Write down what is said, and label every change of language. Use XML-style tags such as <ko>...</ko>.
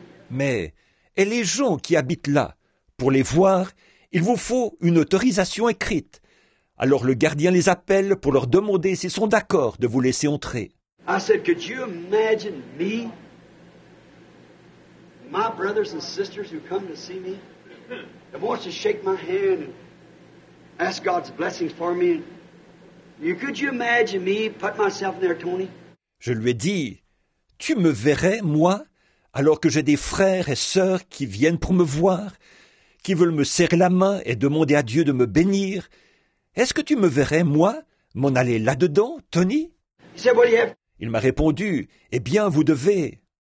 <fr>Mais, et les gens qui habitent là, pour les voir, il vous faut une autorisation écrite. Alors le gardien les appelle pour leur demander s'ils sont d'accord de vous laisser entrer.</fr> <en>I said, could you imagine me, my brothers and sisters who come to see me, that wants to shake my hand and ask God's blessings for me? Could you imagine me put myself in there, Tony?</en> <fr>Je lui ai dit, tu me verrais, moi, alors que j'ai des frères et sœurs qui viennent pour me voir? Qui veulent me serrer la main et demander à Dieu de me bénir. Est-ce que tu me verrais, moi, m'en aller là-dedans, Tony? Il m'a répondu, eh bien, vous devez.</fr>